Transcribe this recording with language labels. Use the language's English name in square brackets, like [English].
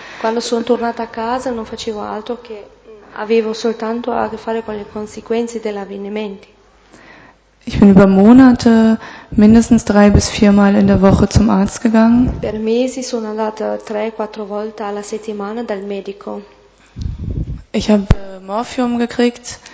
[Italian] Quando sono tornata a casa non facevo altro che avevo soltanto a che fare con le conseguenze degli avvenimenti. [German] Ich bin über Monate mindestens 3-4 Mal in der Woche zum Arzt gegangen. [Italian] Per mesi sono andata 3-4 volte alla settimana dal medico. [German] Ich habe Morphium gekriegt.